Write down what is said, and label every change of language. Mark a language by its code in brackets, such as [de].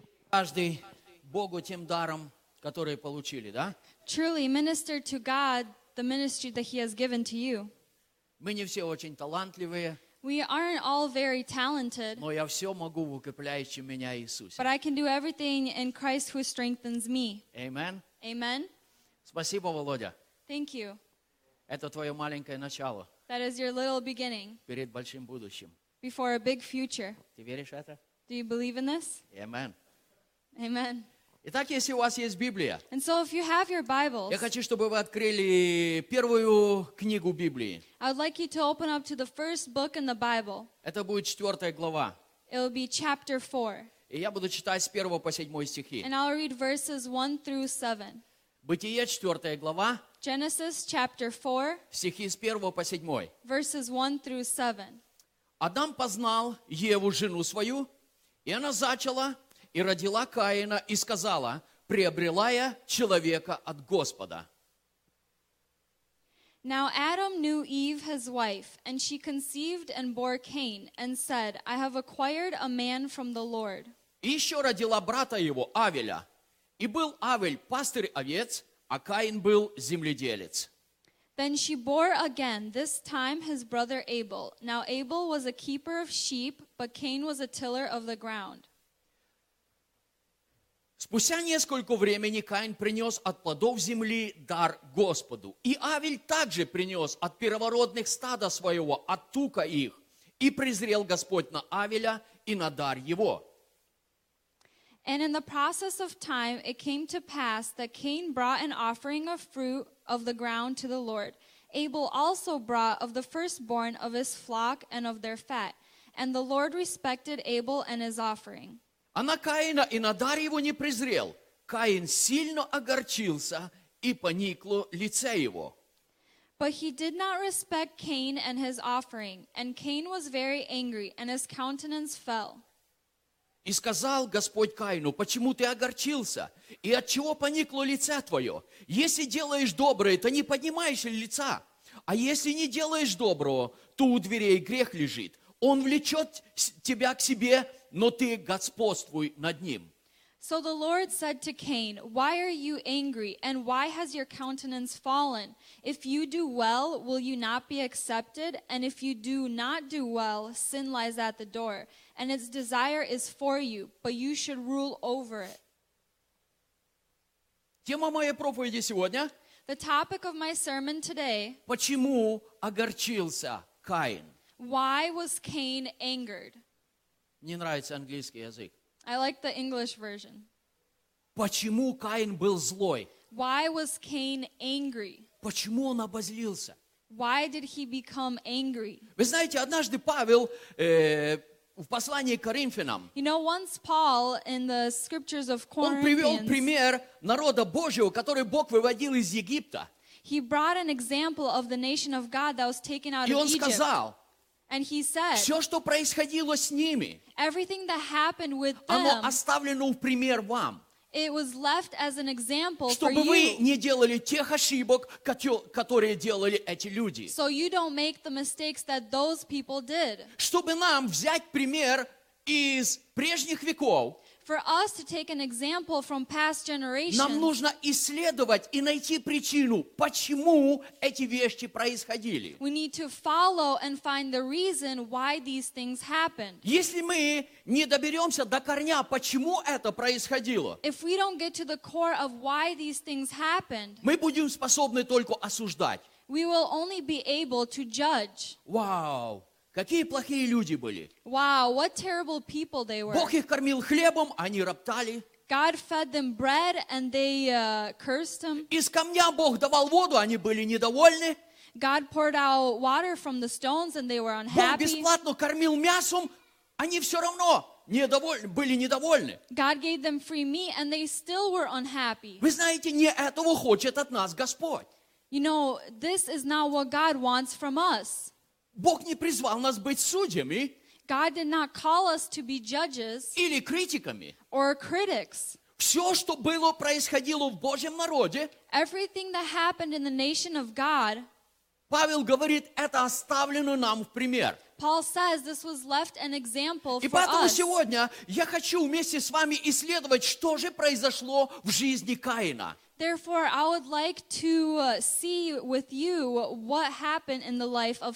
[ru] Каждый Богу тем даром, который получили, да? [en] Truly minister to God the ministry that He has given to you. [ru] Мы не все очень талантливые. [en] We aren't all very talented. [ru] Но я все могу в укрепляющем меня Иисусе. [en] But I can do everything in Christ who strengthens me. Amen. Amen. [ru] Спасибо, Володя. [en] Thank you. [ru] Это твое маленькое начало. [en] That is your little beginning. [ru] Перед большим будущим. [en] Before a big future. [ru] Ты веришь в это? [en] Do you believe in this? Amen. Amen. [ru] Итак, если у вас есть Библия, [en] and so if you have your Bibles, [ru] я хочу, чтобы вы открыли первую книгу Библии. [en] I would like you to open up to the first book in the Bible. [ru] Это будет 4 глава. [en] It will be chapter 4. [ru] И я буду читать с 1 по 7 стихи. [en] And I'll read verses 1 through 7. [ru] Бытие, 4 глава. [en] Genesis chapter 4. [ru] Стихи с 1 по 7. [en] Verses 1 through 7. [ru] Адам познал Еву, жену свою, и она зачала и родила Каина, и сказала: приобрела я человека от Господа. [en] Now Adam knew Eve, his wife, and she conceived and bore Cain, and said, I have acquired a man from the Lord. [ru] И еще родила брата его, Авеля. И был Авель пастырь овец, а Каин был земледелец. [en] Then she bore again, this time his brother Abel. Now Abel was a keeper of sheep, but Cain was a tiller of the ground. [ru] Спустя несколько времени Каин принес от плодов земли дар Господу. И Авель также принес от первородных стада своего, от тука их. И презрел Господь на Авеля и на дар его. [en] And in the process of time it came to pass that Cain brought an offering of fruit of the ground to the Lord. Abel also brought of the firstborn of his flock and of their fat. And the Lord respected Abel and his offering. [ru] А на Каина и на дар его не презрел. Каин сильно огорчился, и поникло лице его. [en] But he did not respect Cain and his offering, and Cain was very angry, and his countenance fell. [ru] И сказал Господь Каину: почему ты огорчился, и от чего поникло лице твое? Если делаешь доброе, то не поднимаешь ли лица? А если не делаешь доброго, то у дверей грех лежит. Он влечет тебя к себе, но ты господствуй над ним. [en] So the Lord said to Cain, why are you angry, and why has your countenance fallen? If you do well, will you not be accepted? And if you do not do well, sin lies at the door, and its desire is for you, but you should rule over it. [ru] Тема моей проповеди сегодня. [en] The topic of my sermon today. [ru] Почему огорчился Каин? [en] Why was Cain angered? [ru] Мне нравится английский язык. [en] I like the English version. [ru] Почему Каин был злой? [en] Why was Cain angry? [ru] Почему он обозлился? [en] Why did he become angry? [ru] Вы знаете, однажды Павел в послании к Коринфянам. [en] You know, once Paul in the scriptures of Corinthians. [ru] Он привел пример народа Божьего, который Бог выводил из Египта. [en] He brought an example of the nation of God that was taken out of Egypt. [ru] И он сказал. [en] And he said. [ru] Все, что происходило с ними. [en] Everything that happened with them. [ru] Оно оставлено в пример вам. [en] It was left as an example for you. [ru] Чтобы вы не делали тех ошибок, которые делали эти люди. [en] So you don't make the mistakes that those people did. [ru] Чтобы нам взять пример из прежних веков. [en] For us to take an example from past generations. [ru] Нам нужно исследовать и найти причину, почему эти вещи происходили. [en] We need to follow and find the reason why these things happened. [ru] Если мы не доберемся до корня, почему это происходило, [en] if we don't get to the core of why these things happened, [ru] мы будем способны только осуждать. [en] We will only be able to judge. [ru] Wow. Какие плохие люди были. [en] Wow, what terrible people they were. [ru] Бог их кормил хлебом, а они роптали. [en] God fed them bread and they cursed them. [ru] Из камня Бог давал воду, они были недовольны. [en] God poured out water from the stones and they were unhappy. [ru] Бог бесплатно кормил мясом, они все равно были недовольны. [en] God gave them free meat and they still were unhappy. [ru] Вы знаете, не этого хочет от нас Господь. [en] You know, this is not what God wants from us. [ru] Бог не призвал нас быть судьями. [en] God did not call us to be judges. [ru] Или критиками. [en] Or critics. [ru] Все, что было, происходило в Божьем народе. [en] Everything that happened in the nation of God. [ru] Павел говорит, это оставлено нам в пример. [en] Paul says this was left an example for [ru] us. И поэтому сегодня я хочу вместе с вами исследовать, что же произошло в жизни Каина. [en] Therefore, I would like to see with you what happened in the life of